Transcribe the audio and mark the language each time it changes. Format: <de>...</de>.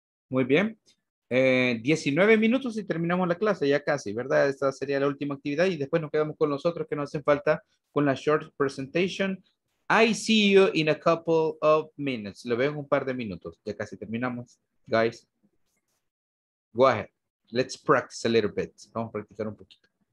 <es>Muy bien, 19 minutos y terminamos la clase, ya casi, ¿verdad? Esta sería la última actividad y después nos quedamos con los otros que nos hacen falta con la short presentation.</es> <en>I see you in a couple of minutes.</en> <es>Lo veo en un par de minutos, ya casi terminamos.</es> <en>Guys, go ahead, let's practice a little bit.</en> <es>Vamos a practicar un poquito.</es>